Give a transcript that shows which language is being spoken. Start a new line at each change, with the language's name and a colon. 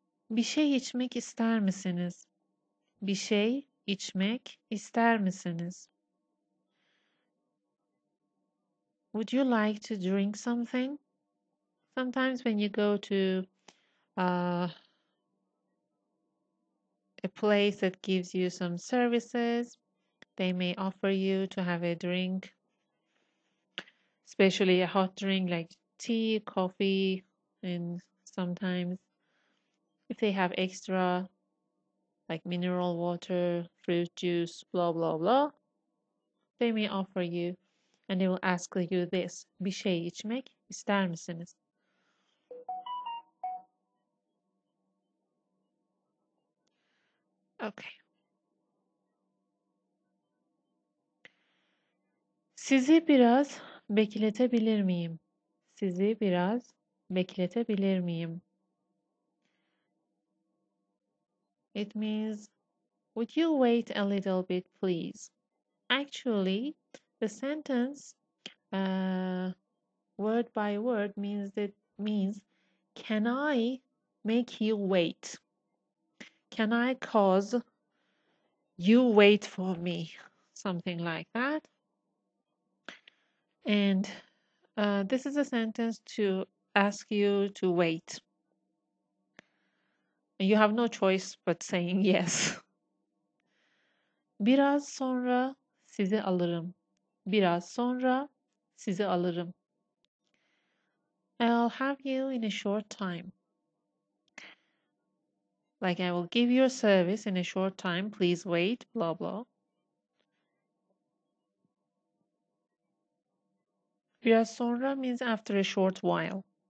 Turkish: Bir şey içmek ister misiniz? Bir şey içmek ister misiniz?
English: Would you like to drink something? Sometimes when you go to a place that gives you some services, they may offer you to have a drink, especially a hot drink like tea, coffee, and sometimes if they have extra, like mineral water, fruit juice, blah, blah, blah, they may offer you and they will ask you this.
Turkish: Bir şey içmek ister misiniz?
English: Okay.
Turkish: Sizi biraz bekletebilir miyim? Sizi biraz bekletebilir miyim?
English: It means, would you wait a little bit, please? Actually, the sentence, word by word, means that means, can I make you wait? Can I cause you wait for me? Something like that. And this is a sentence to ask you to wait. You have no choice but saying yes.
Turkish: Biraz sonra sizi alırım. Biraz sonra sizi alırım.
English: I'll have you in a short time. Like, I will give your service in a short time. Please wait, blah, blah.
Turkish: Biraz sonra
English: means after a short while.